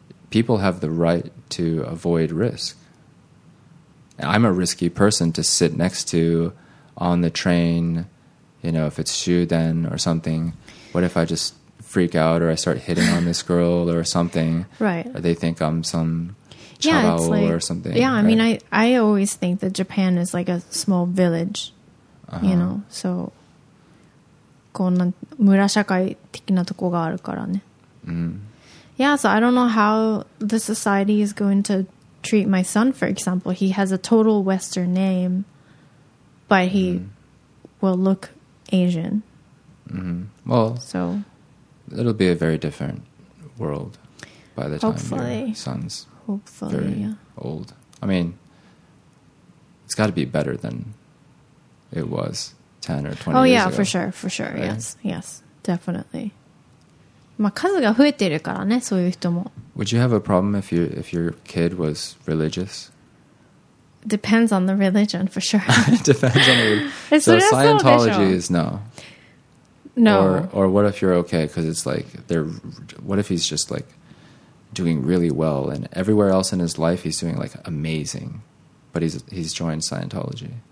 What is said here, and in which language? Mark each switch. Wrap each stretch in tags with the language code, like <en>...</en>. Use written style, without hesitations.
<en>People have the right to avoid risk. I'm a risky person to sit next to on the train, you know, if it's shuden or something. What if I just freak out or I start hitting on this girl or something? Right. Or they think I'm some chabao or something. Yeah, right? I mean, I always think that Japan is like a small village, you know. So,</en> <ja>こんな村社会的なとこがあるからね。 Mm-hmm.</ja> <en>Yeah, so I don't know how the society is going to treat my son, for example. He has a total Western name, but he will look Asian. Mm-hmm. Well, so it'll be a very different world by the time your son's very old. I mean, it's got to be better than it was 10 or 20 years ago. Oh, yeah, for sure. Right? Yes, definitely.</en> <ja>まあ、数が増えてるからね、そういう人も。</ja> <en>Would you have a problem if your kid was religious? Depends on the religion, for sure. Depends on the religion. So Scientology is no. No. Or what if you're okay? Because it's like, what if he's just like doing really well and everywhere else in his life he's doing like amazing, but he's joined Scientology.</en>